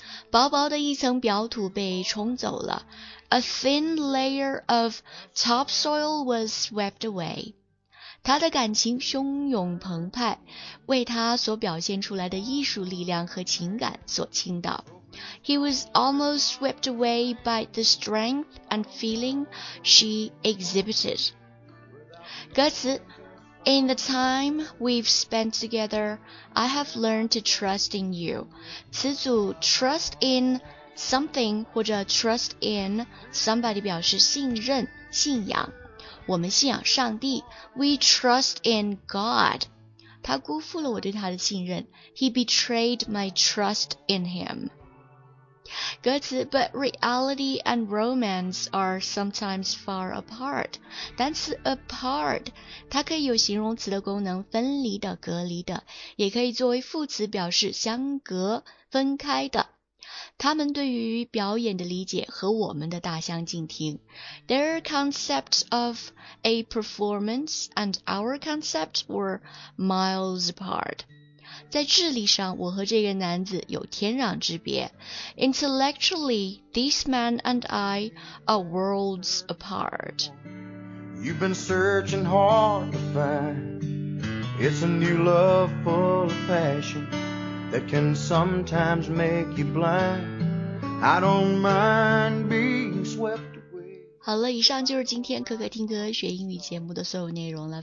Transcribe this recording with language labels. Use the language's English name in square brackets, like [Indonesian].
[Chinese] 薄薄的一层表土被冲走了。 [English] A thin layer of topsoil was swept away. [Chinese] 他的感情汹涌澎湃，为他所表现出来的艺术力量和情感所倾倒。 [English] He was almost swept away by the strength and feeling she exhibited. 歌词In the time we've spent together, I have learned to trust in you. [Chinese] 此组 trust in something 或者 trust in somebody 表示信任、信仰。我们信仰上帝。 [English] We trust in God. [Chinese] 他辜负了我对他的信任。 [English] He betrayed my trust in him. 歌词 But reality and romance are sometimes far apart. [Chinese] 单词 apart 它可以有形容词的功能分离的、隔离的也可以作为副词表示相隔、分开的。他们对于表演的理解和我们的大相径庭。 [English] Their concept of a performance and our concept were miles apart. [Chinese] 在智力上我和这个男子有天壤之别 [English] Intellectually, this man and I are worlds apart You've been searching hard to find It's a new love full of passion That can sometimes make you blind I don't mind being swept [Chinese] 好了，以上就是今天可可听歌学英语节目的所有内容了。